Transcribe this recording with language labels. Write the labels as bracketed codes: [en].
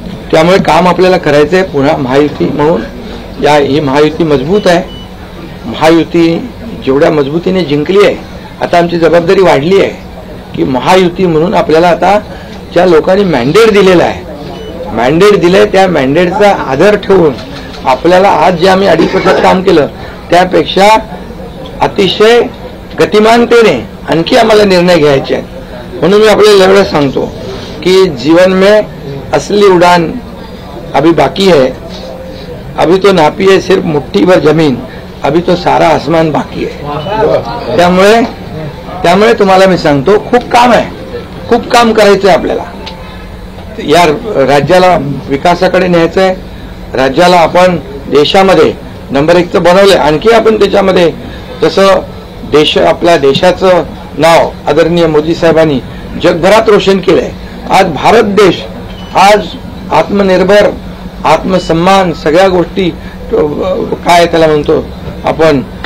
[mr] त्यामुळे काम आपल्याला करायचं आहे पुन्हा महायुती म्हणून. या ही महायुती मजबूत आहे, महायुती जेवढ्या मजबूतीने जिंकली आहे आता आमची जबाबदारी वाढली आहे की महायुती म्हणून आपल्याला आता ज्या लोकांनी मॅन्डेट दिलेलं आहे, मॅन्डेट दिलंय त्या मॅन्डेटचा आदर ठेवून आपल्याला आज जे आम्ही 2.5 वर्षात काम केलं त्यापेक्षा अतिशय गतिमानतेने आणखी आम्हाला निर्णय घ्यायचे आहेत. म्हणून मी आपल्याला एवढं सांगतो की [hi] जीवन में असली उडान अभी बाकी है, अभी तो नापी है सिर्फ मुठ्ठी भर जमीन, अभी तो सारा आसमान बाकी है. [mr] त्यामुळे तुम्हाला मी सांगतो खूप काम आहे, खूप काम करायचं आहे आपल्याला. या राज्याला विकासाकडे न्यायचं आहे, राज्याला आपण देशामध्ये 1 बनवलंय, आणखी आपण त्याच्यामध्ये जसं देश आपल्या देशाचं नाव आदरणीय मोदी साहेबांनी जगभरात रोशन केलंय, आज भारत देश आज आत्मनिर्भर आत्मसन्मान सगळ्या गोष्टी काय त्याला म्हणतो आपण